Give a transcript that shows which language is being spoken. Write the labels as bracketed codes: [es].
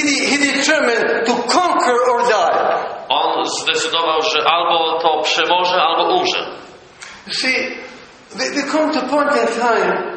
[en] He determined to conquer or die. [pl] On zdecydował, że albo to przemoże, albo umrze. [en] See, we come to point in time.